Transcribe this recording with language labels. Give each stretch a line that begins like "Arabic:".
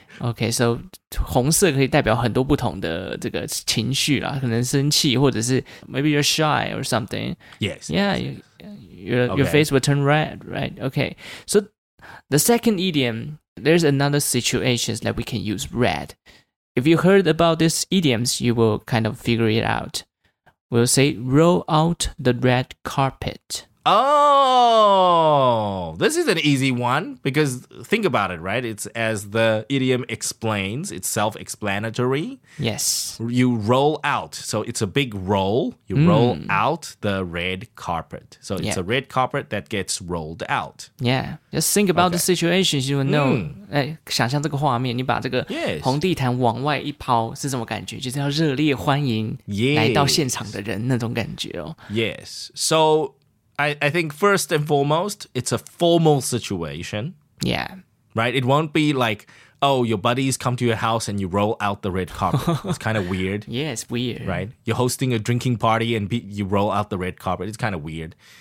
Chinese: Okay, so 红色可以代表很多不同的这个情绪啦，可能生气，或者是
English: maybe you're shy or something. Yes. Yeah, yes. Your face will turn red, right? Okay, so the second idiom, there's another situation that we can use red. If you heard about these idioms, you will kind of figure it out. We'll say roll out the red carpet. Oh, this is an easy one because think about it, right? It's as the idiom explains, it's self-explanatory. Yes. You roll out. So it's a big roll. You roll out the red carpet. So it's a red carpet that gets rolled out. Yeah. Just think about the situation. You will know.
Chinese: 想象这个画面，你把这个红地毯往外一抛是什么感觉？就是要热烈欢迎来到现场的人那种感觉哦。
English: Yes. So... I think first and foremost, it's a formal situation. Yeah. Right? It won't be like, oh, your buddies come to your house and you roll out the red carpet. It's kind of weird. Yeah, it's weird. Right? You're hosting a drinking party and you roll out the red carpet. It's kind of weird.